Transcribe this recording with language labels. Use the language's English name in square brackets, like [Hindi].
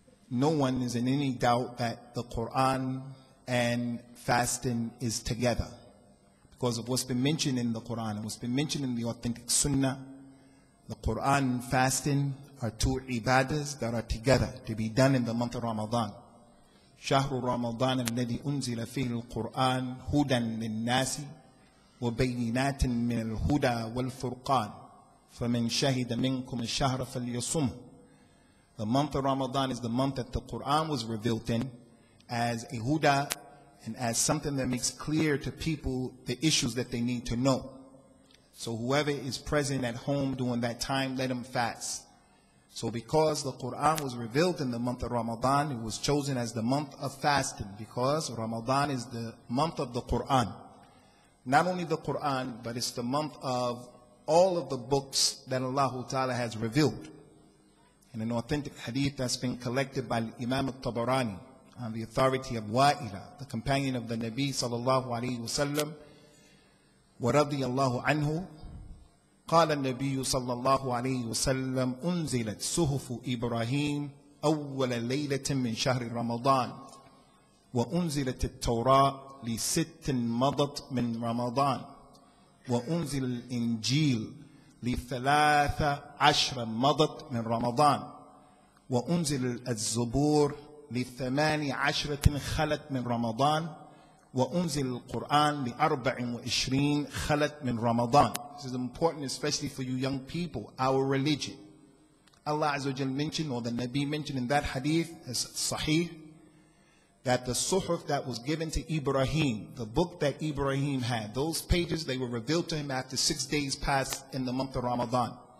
[English] No one is in any doubt that the Quran and fasting is together because of what's been mentioned in the Quran and what's been mentioned in the authentic sunnah. The Quran and fasting are two ibadahs that are together to be done in the month of Ramadan. [Arabic] شهر رمضان الذي أنزل فيه القرآن هدى للناس وبينات من الهدى والفرقان فمن شهد منكم الشهر فليصم. [English] The month of Ramadan is the month that the Quran was revealed in as a huda and as something that makes clear to people the issues that they need to know. So whoever is present at home during that time, let him fast. So because the Quran was revealed in the month of Ramadan, it was chosen as the month of fasting because Ramadan is the month of the Quran. Not only the Quran, but it's the month of all of the books that Allah Ta'ala has revealed. In an authentic hadith that's been collected by Imam al-Tabarani on the authority of Wa'ila, the companion of the Nabi Sallallahu Alaihi Wasallam, wa radiyallahu anhu, [Arabic] قال النبي صلى الله عليه وسلم أنزلت صحف إبراهيم أول ليلة من شهر رمضان وأنزلت التوراة لست مضت من رمضان وأنزل الإنجيل لثلاثة عشر مضت من رمضان وأنزل الزبور لثمان عشرة خلت من رمضان وأنزل القرآن لأربع وعشرين خلت من رمضان. [English] This is important, especially for you young people, our religion. Allah Azza wa Jalla mentioned, or the Nabi mentioned in that hadith, as sahih, that the suhuf that was given to Ibrahim, the book that Ibrahim had, those pages, they were revealed to him after 6 days passed in the month of Ramadan.